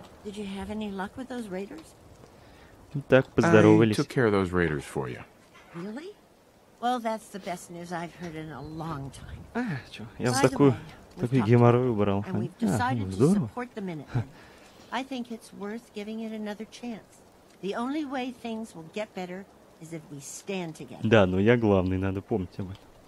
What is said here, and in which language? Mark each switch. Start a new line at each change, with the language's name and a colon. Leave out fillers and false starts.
English: Did you have any luck with those raiders?
Russian: Так, поздоровались.
English: I took care of those raiders for you. Really? Well, that's the best news I've heard in a long time.
Russian: А, чё, я вам такой геморрой убрал.
English: And we've decided to support the Minutemen. I think it's worth giving it another chance. The only way things will get better is if we stand together.
Russian: Да, но я главный, надо помнить об этом.